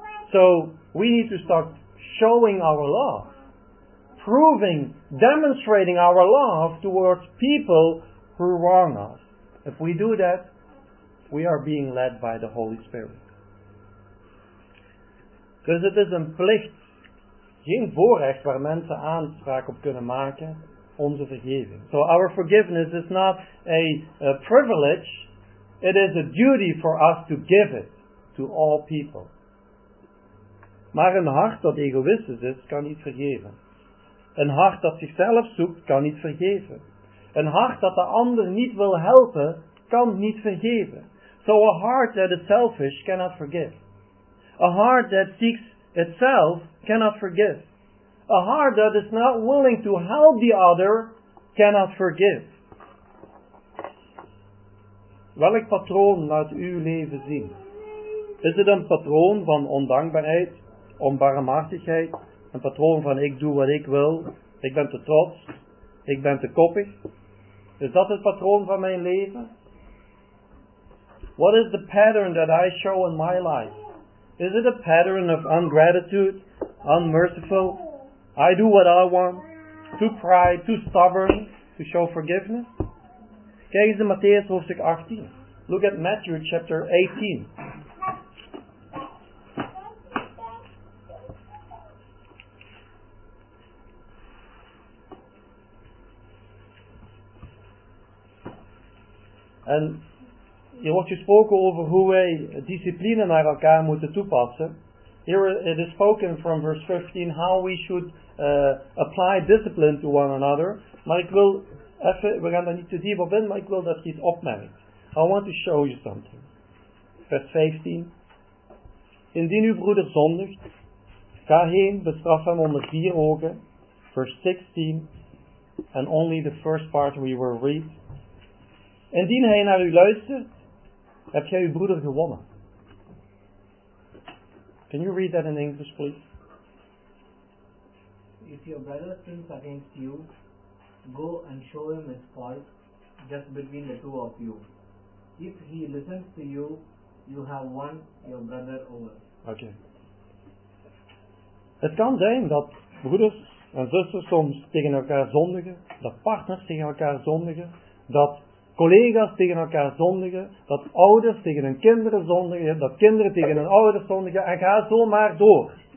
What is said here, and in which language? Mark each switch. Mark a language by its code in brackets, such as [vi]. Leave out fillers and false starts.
[en] So we need to start showing our love, proving, demonstrating our love towards people who wrong us. If we do that, we are being led by the Holy Spirit. [nl] Dus het is een plicht, geen voorrecht waar mensen aanspraak op kunnen maken, onze vergeving. [en] So our forgiveness is not a privilege, it is a duty for us to give it to all people. [nl] Maar een hart dat egoïstisch is, kan niet vergeven. Een hart dat zichzelf zoekt, kan niet vergeven. Een hart dat de ander niet wil helpen, kan niet vergeven. [en] So a heart that is selfish cannot forgive. A heart that seeks itself cannot forgive. A heart that is not willing to help the other cannot forgive. [nl] Welk patroon laat uw leven zien? Is het een patroon van ondankbaarheid? Onbarmhartigheid, een patroon van ik doe wat ik wil, ik ben te trots, ik ben te koppig. Is dat het patroon van mijn leven? [en] What is the pattern that I show in my life? Is it a pattern of ungratitude, unmerciful? I do what I want, too pride, too stubborn to show forgiveness? [nl] Kijk eens in Matthäus hoofdstuk 18. [en] Look at Matthew chapter 18. [nl] En hier wordt gesproken over hoe wij discipline naar elkaar moeten toepassen. [en] Here it is spoken from verse 15 how we should apply discipline to one another. [nl] Maar ik wil even, we gaan daar niet te diep op in, maar ik wil dat je het opmerkt. [en] I want to show you something. [nl] Vers 15. Indien uw broeder zondigt, ga heen, bestraf hem onder vier ogen. Vers 16. [en] And only the first part we will read. [nl] Indien hij naar u luistert, heb jij uw broeder gewonnen. [en] Can you read that in English, please? If your brother sins against you, go and show him his fault just between the two of you. If he listens to you, you have won your brother over. Okay. [nl] Het kan zijn dat broeders en zusters soms tegen elkaar zondigen, dat partners tegen elkaar zondigen, dat collega's tegen elkaar zondigen, dat ouders tegen hun kinderen zondigen, dat kinderen tegen hun ouders zondigen, en ga zo maar door.